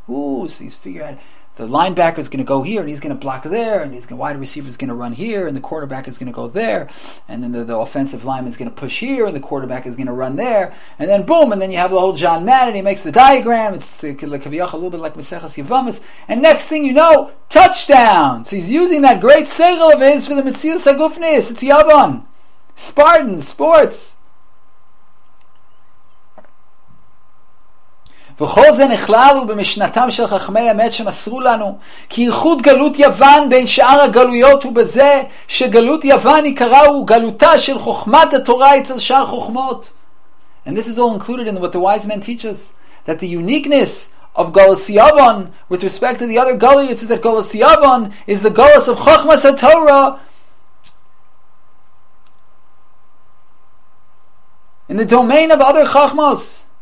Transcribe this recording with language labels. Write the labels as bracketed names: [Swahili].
[English] Ooh, so he's figuring out the linebacker is going to go here and he's going to block there, and the wide receiver is going to run here and the quarterback is going to go there, and then the offensive lineman is going to push here and the quarterback is going to run there, and then boom, and then you have the whole John Madden, he makes the diagram, it's kiviyachal a little bit like Maseches Yevamos, and next thing you know, touchdown. So he's using that great seichel of his for the Metzius HaGufnis. It's Yavon Spartan sports. [Hebrew] וכל זה נכלל הוא במשנתם של חכמי אמת שמסרו לנו כי ייחוד גלות יוון בין שאר הגלויות הוא בזה שגלות יוון יקרה הוא גלותה של חוכמת התורה אצל שאר חוכמות. [English] And this is all included in what the wise men teach us, that the uniqueness of Golus Yavon with respect to the other Goliaths is that Golus Yavon is the Golus of Chochmas HaTorah in the domain of other Chochmas.